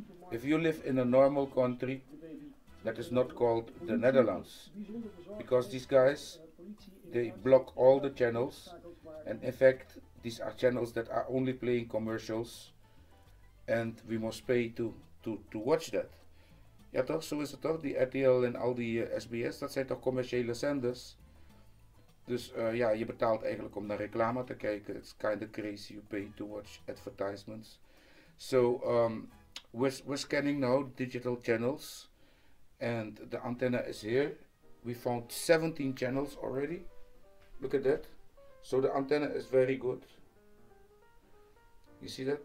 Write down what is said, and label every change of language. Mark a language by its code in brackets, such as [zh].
[en] If you live in a normal country that is not called the Netherlands, because these guys, they block all the channels, and in fact, these are channels that are only playing commercials, and we must pay to watch that. [nl] Ja toch, zo is het toch, die RTL en al die SBS, dat zijn toch commerciële zenders? Dus ja, je betaalt eigenlijk om naar reclame te kijken. [en] It's kind of crazy, you pay to watch advertisements. So, we're scanning now digital channels. And the antenna is here. We found 17 channels already. Look at that. So the antenna is very good. You see that?